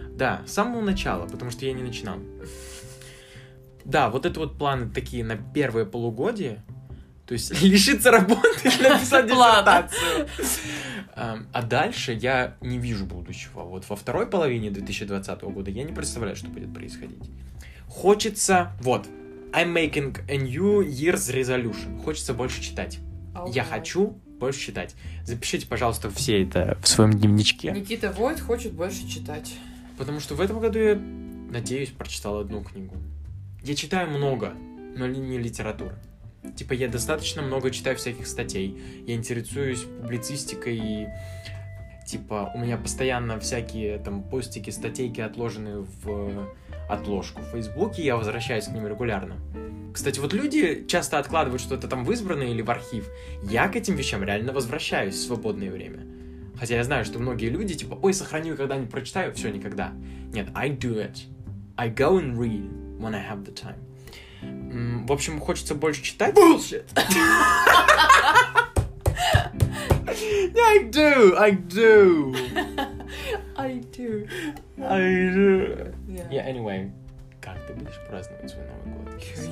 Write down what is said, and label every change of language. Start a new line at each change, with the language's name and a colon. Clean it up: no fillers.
Russian: Да, с самого начала, потому что я не начинал. Да, вот это вот планы такие на первое полугодие. То есть лишиться работы и написать диссертацию. А дальше я не вижу будущего. Вот во второй половине 2020 года я не представляю, что будет происходить. Хочется, вот,
English: I'm making a new year's resolution.
Russian: Хочется больше читать.
English: Okay.
Russian: Я хочу больше читать. Запишите, пожалуйста, все это в своем дневничке. Никита Войт хочет больше читать. Потому что в этом году я, надеюсь, прочитал одну книгу. Я читаю много, но не литературу. Типа, я достаточно много читаю всяких статей, я интересуюсь публицистикой, и, типа, у меня постоянно всякие там постики, статейки отложены в отложку в Фейсбуке, я возвращаюсь к ним регулярно. Кстати, вот люди часто откладывают что-то там в избранное или в архив, я к этим вещам реально возвращаюсь в свободное время. Хотя я знаю, что многие люди, типа, ой, сохраню, когда-нибудь прочитаю, все, никогда.
English: Нет, I do it. I go and read when I have the time.
Russian: В общем, хочется больше читать.
English: Bullshit! I do, I do. I do. I do. Yeah, anyway.
Russian: Как ты будешь праздновать свой Новый год?